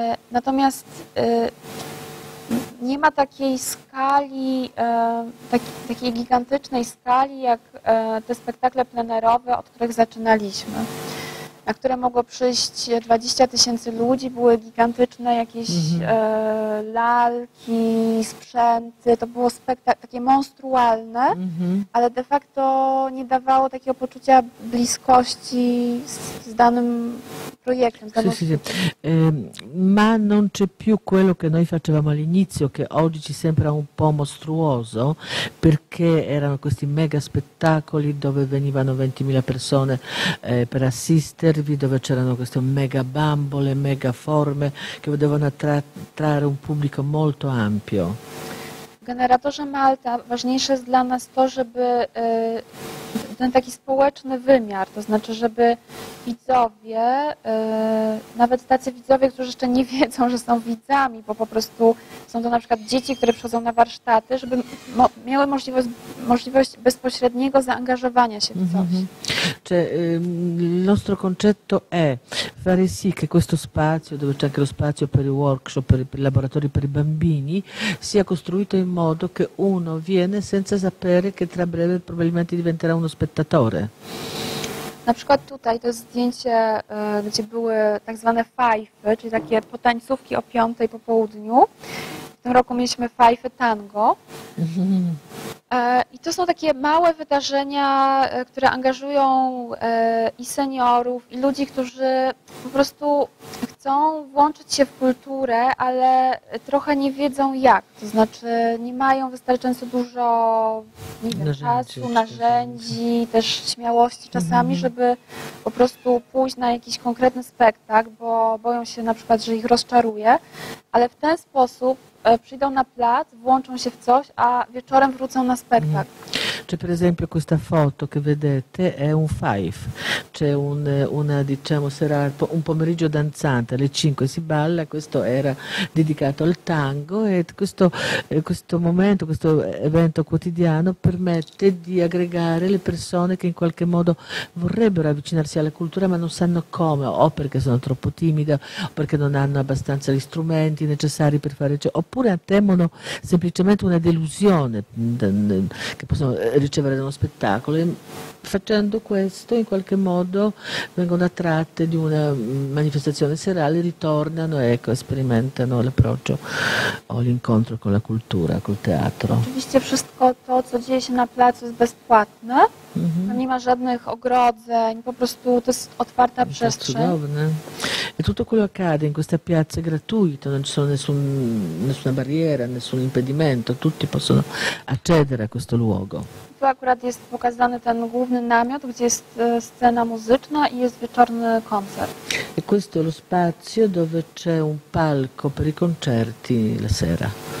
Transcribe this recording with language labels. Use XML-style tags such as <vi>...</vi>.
<pl>Natomiast nie ma takiej skali, takiej gigantycznej skali, jak te spektakle plenerowe, od których zaczynaliśmy, na które mogło przyjść 20 tysięcy ludzi, były gigantyczne jakieś lalki, sprzęty, to było takie monstrualne, ale de facto nie dawało takiego poczucia bliskości z danym</pl> <it>Sì, sì, sì. Ma non c'è più quello che noi facevamo all'inizio, che oggi ci sembra un po' mostruoso, perché erano questi mega spettacoli dove venivano 20.000 persone per assistervi, dove c'erano queste mega bambole, mega forme che dovevano attrarre un pubblico molto ampio.</it> <pl>Generatorze Malta, ważniejsze jest dla nas to, żeby ten taki społeczny wymiar, to znaczy, żeby widzowie, nawet tacy widzowie, którzy jeszcze nie wiedzą, że są widzami, bo po prostu są to na przykład dzieci, które przychodzą na warsztaty, żeby miały możliwość bezpośredniego zaangażowania się w coś.</pl> <it>Cioè, il nostro concetto è fare sì che questo spazio, dove c'è anche lo spazio per i workshop, per i laboratori per i bambini, sia costruito in modo che uno viene senza sapere che tra breve probabilmente diventerà uno spettatore.</it> <pl>Na przykład tutaj to jest zdjęcie, gdzie były tak zwane fajfy, czyli takie potańcówki o 5 po południu. W tym roku mieliśmy fajfy tango. I to są takie małe wydarzenia, które angażują i seniorów, i ludzi, którzy po prostu chcą włączyć się w kulturę, ale trochę nie wiedzą jak. To znaczy nie mają wystarczająco dużo czasu, narzędzi, też śmiałości czasami, żeby po prostu pójść na jakiś konkretny spektakl, bo boją się na przykład, że ich rozczaruje, ale w ten sposób przyjdą na plac, włączą się w coś, a wieczorem wrócą na spektakl.</pl> <it>Cioè, per esempio, questa foto che vedete è un five, c'è una diciamo sera, un pomeriggio danzante, alle 5 si balla, questo era dedicato al tango e questo momento, questo evento quotidiano permette di aggregare le persone che in qualche modo vorrebbero avvicinarsi alla cultura ma non sanno come, o perché sono troppo timide, o perché non hanno abbastanza gli strumenti necessari per fare ciò, oppure temono semplicemente una delusione che possono ricevere da uno spettacolo, e facendo questo in qualche modo vengono attratte di una manifestazione serale, ritornano, ecco, sperimentano l'approccio o l'incontro con la cultura, col teatro.</it> <pl>Oczywiście wszystko to, co dzieje się na placu, jest bezpłatne, non nie ma żadnych ogrodzeń, po prostu to jest otwarta przestrzeń. Cudowne.</pl> <it>E tutto quello accade in questa piazza è gratuito, non ci sono nessuna barriera, nessun impedimento, tutti possono accedere a questo luogo.</it> <pl>Tu akurat jest pokazany ten główny namiot, gdzie jest scena muzyczna i jest wieczorny koncert.</pl> <it>E questo è lo spazio dove c'è un palco per i concerti la sera.</it>